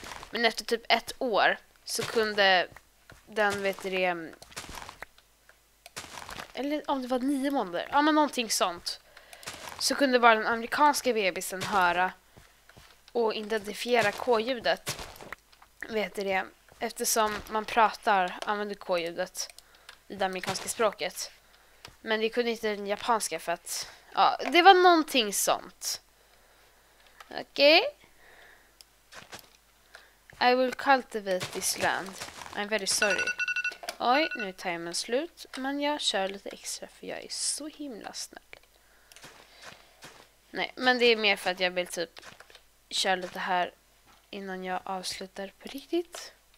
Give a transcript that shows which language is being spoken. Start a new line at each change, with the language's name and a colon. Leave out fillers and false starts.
Swedish: Men efter typ 1 år så kunde den, vet du det, eller om det var 9 månader, ja men någonting sånt, så kunde bara den amerikanska bebisen höra och identifiera K-ljudet, vet du det, eftersom man pratar, använder K-ljudet i det amerikanska språket. Men det kunde inte den japanska, för att Ja, det var någonting sånt. Okej.
English: Okay. I will cultivate this land. I'm very sorry.
Swedish: Oj, nu är timern slut. Men jag kör lite extra för jag är så himla snäll. Nej, men det är mer för att jag vill typ köra lite här innan jag avslutar på riktigt.